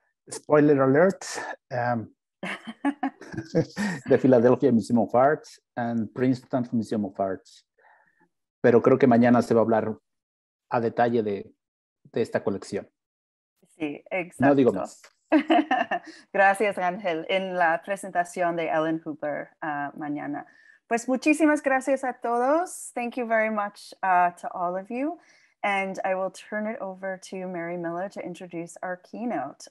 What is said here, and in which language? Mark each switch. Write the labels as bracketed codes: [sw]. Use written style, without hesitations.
[en] spoiler alert, the Philadelphia Museum of Arts and Princeton Museum of Arts. [es] Pero creo que mañana se va a hablar a detalle de esta colección. Sí, exacto. No digo más. Gracias, Ángel, en la presentación de Ellen Hooper mañana. Pues muchísimas gracias a todos. [en] Thank you very much to all of you. And I will turn it over to Mary Miller to introduce our keynote.